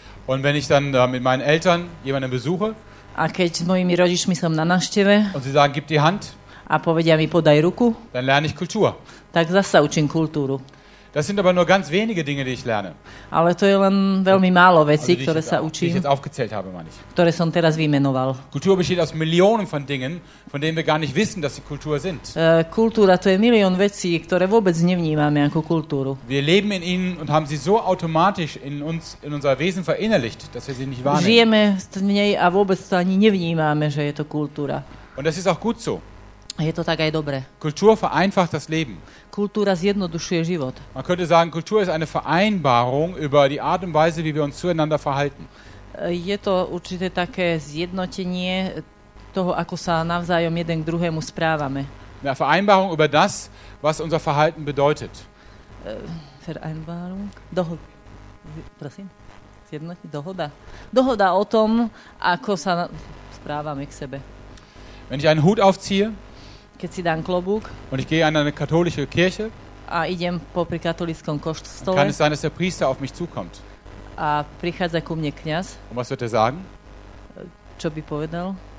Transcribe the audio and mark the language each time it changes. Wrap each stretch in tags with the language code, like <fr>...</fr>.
<de>Und wenn ich dann mit meinen Eltern jemanden besuche.</de> <sk>A keď s mojimi rodičmi som na návšteve.</sk> <de>Und sie sagen, gib die Hand.</de> <sk>A povedia mi, podaj ruku.</sk> <de>Dann lerne ich Kultur.</de> <sk>Tak zase učím kultúru.</sk> <de>Das sind aber nur ganz wenige Dinge, die ich lerne.</de> <sk>Ale to je len veľmi málo vecí, ktoré sa učím.</sk> <de>Die ich jetzt aufgezählt habe, meine ich.</de> <sk>Ktoré som teraz vymenoval.</sk> <de>Kultur besteht aus Millionen von Dingen, von denen wir gar nicht wissen, dass sie Kultur sind.</de> <sk>Kultúra, to je milión vecí, ktoré vôbec nevnímame ako kultúru.</sk> <de>Wir leben in ihnen und haben sie so automatisch in uns, in unser Wesen verinnerlicht, dass wir sie nicht wahrnehmen.</de> <sk>Žijeme v nej a vôbec to ani nevnímame, že je to kultúra.</sk> <de>Und das ist auch gut so.</de> <sk>Je to tak aj dobre.</sk> <de>Kultur vereinfacht das Leben.</de> <sk>Kultúra zjednodušuje život.</sk> <de>Man könnte sagen, Kultur ist eine Vereinbarung über die Art und Weise, wie wir uns zueinander verhalten.</de> <sk>Je to určite také zjednotenie toho, ako sa navzájom jeden k druhému správame.</sk> <de>Ja, Vereinbarung über das, was unser Verhalten bedeutet.</de> <sk>Vereinbarung? Prosím? Zjednotenie? Dohoda? Dohoda o tom, ako sa správame k sebe.</sk> <de>Wenn ich einen Hut aufziehe,</de> <sk>keď si dám klobúk,</sk> <de>und ich gehe an eine katholische Kirche,</de> <sk>a idem popri katolickom kostole,</sk> <de>kann es sein, dass der Priester auf mich zukommt.</de> <sk>A prichádza ku mne kňaz.</sk> <de>Und was wird er sagen?</de> <sk>Čo by povedal?</sk>